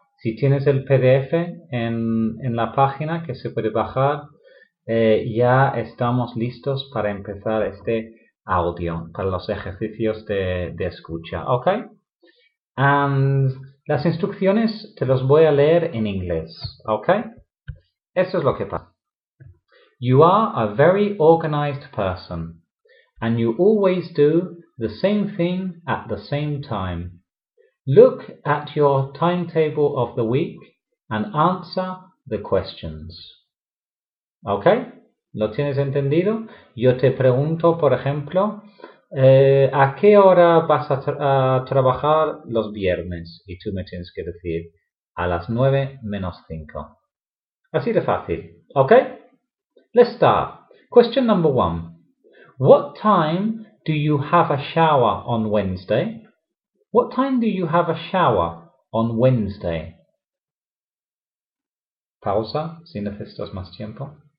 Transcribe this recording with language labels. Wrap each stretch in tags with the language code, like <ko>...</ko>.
<es>Si tienes el PDF en la página que se puede bajar, ya estamos listos para empezar este audio, para los ejercicios de escucha. ¿Ok? Las instrucciones te las voy a leer en inglés. ¿Ok? Esto es lo que pasa.</es> <en>You are a very organized person, and you always do the same thing at the same time. Look at your timetable of the week and answer the questions.</en> <es>¿Ok? ¿Lo tienes entendido? Yo te pregunto, por ejemplo, ¿a qué hora vas a trabajar los viernes? Y tú me tienes que decir a las 9 menos 5. Así de fácil.</es> <en>¿Ok? Let's start. Question number one. What time do you have a shower on Wednesday? What time do you have a shower on Wednesday?</en> <es>Pausa, si necesitas más tiempo.</es>